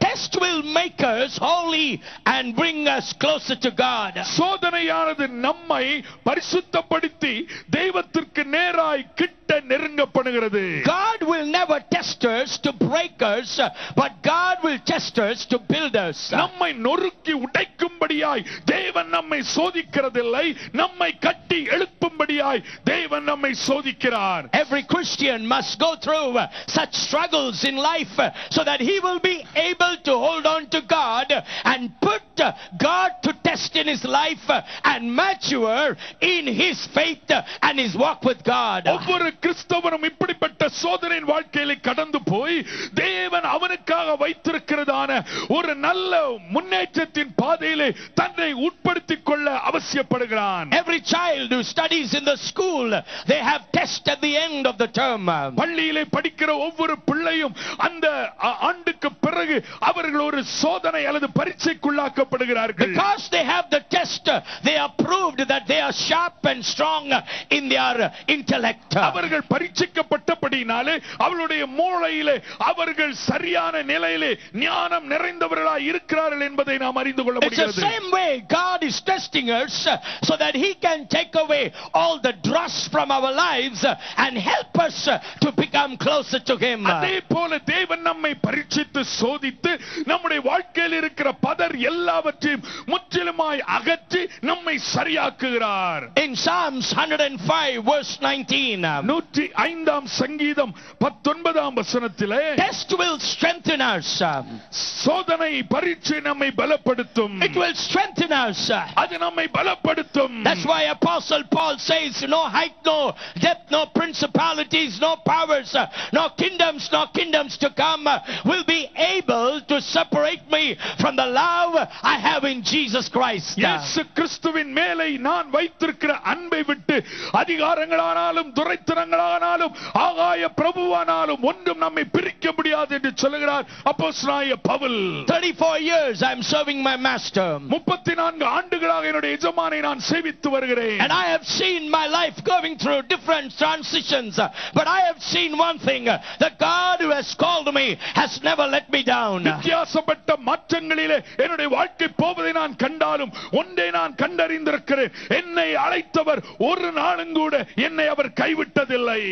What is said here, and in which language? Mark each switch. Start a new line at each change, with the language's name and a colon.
English: Test will make us holy and bring us closer to God.
Tamil: சோதனையானது நம்மை பரிசுத்தப்படுத்தி தேவத்திற்கு நேராய் கிட்ட நெருங்கப்படுகிறது.
English: God will never test us to break us, but God will test us to build us.
Tamil: நம்மை நொறுக்கி உடைக்கும்படியாய் தேவன் நம்மை சோதிக்கிறதில்லை, நம்மை கட்டி எழுப்பும்படியாய் தேவன் நம்மை சோதிக்கிறார்.
English: Every Christian must go through such struggles in life so that he will be able to hold on to God and put God to test in in his life and mature in his faith and his walk with God.
Tamil: ஒவ்வொரு கிறிஸ்தவனும் இப்படிப்பட்ட சோதனையின் வாழ்க்கையிலே கடந்து போய் தேவன் அவனுக்காக வைத்திருக்கிறதான ஒரு நல்ல முன்னேற்றத்தின் பாதையிலே தன்னை உட்படுத்திக் கொள்ள அவசியப்படுகிறான்.
English: Every child who studies in the school, they have test at the end of the term.
Tamil: பள்ளியிலே படிக்கிற ஒவ்வொரு பிள்ளையும் அந்த ஆண்டுக்கு பிறகு அவர்கள் ஒரு சோதனை அல்லது பரீட்சைக்குள்ளாக்கப்படுகிறார்கள்.
English: Because they have the test, they are proved that they are sharp and strong in their intellect.
Tamil: அவர்கள் பரீட்சிக்கப்பட்டபடியாலே அவருடைய மூளையிலே அவர்கள் சரியான நிலையிலே ஞானம் நிறைந்தவர்களாய் இருக்கிறார்கள் என்பதை நாம் அறிந்து கொள்ள முடிகிறது.
English: It's the same way God is testing us so that he can take away all the dross from our lives and help us to become closer to him.
Tamil: அதே போல தேவன் நம்மை பரீட்சித்து சோதித்து நம்முடைய வாழ்க்கையில் இருக்கிற பதர் எல்லாவற்றையும் முற்றிலுமாய் அகற்றி நம்மை சரியாக்குகிறார்.
English: In Psalms 105 verse 19.
Tamil: 105 ஆம் சங்கீதம் 19 ஆம் வசனத்திலே
English: Test will strengthen us.
Tamil: சோதனை பரீட்சை நம்மை பலப்படுத்தும்.
English: It will strengthen us.
Tamil: அது நம்மை பலப்படுத்தும்.
English: That's why Apostle Paul says no height, no depth, no principalities, no powers, no kingdoms, no kingdoms to come will be able to separate me from the love I have in Jesus Christ.
Tamil: இயேசு கிறிஸ்துவின் மேலே நான் வைத்திருக்கிற அன்பை விட்டு அதிகாரங்களானாலும் துரைத்தனங்களானாலும் ஆகாய பிரபுவானாலும் ஒன்றும் நம்மை பிரிக்க முடியாது என்று சொல்கிறார் அப்போஸ்தலனாகிய Pavul.
English: 34 years I am serving my master.
Tamil: 34 ஆண்டுகளாக என்னுடைய எஜமானை நான் சேவித்து வருகிறேன்.
English: And I have seen my life going through different transitions, but I have seen one thing: the God who has called me has never let me down.
Tamil: வித்தியாசப்பட்ட மாற்றங்களிலே என்னுடைய வாழ்க்கை போவதை நான் கண்டாலும் ஒன்றை நான் கண்டறிந்திருக்கிறேன், என்னை அழைத்தவர் ஒரு நாளும் கூட என்னை அவர் கைவிட்டதில்லை.